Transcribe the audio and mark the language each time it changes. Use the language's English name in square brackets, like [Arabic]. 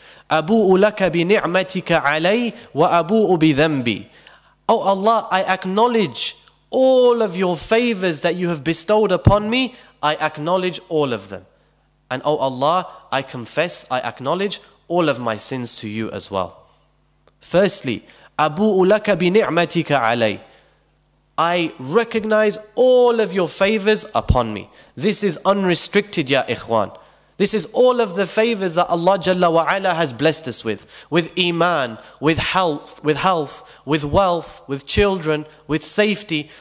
[Arabic] Abu'u laka bi ni'matika alay wa abu'u bi dhanbi. [English] Oh Allah, I acknowledge all of your favors that you have bestowed upon me. I acknowledge all of them. And O Allah, I confess, I acknowledge all of my sins to you as well. Firstly, [Arabic] أَبُوءُ لَكَ بِنِعْمَتِكَ عَلَيْهِ. [English] I recognize all of your favors upon me. This is unrestricted, ya ikhwan. This is all of the favors that Allah Jalla wa Ala has blessed us with. With iman, with health, with wealth, with children, with safety.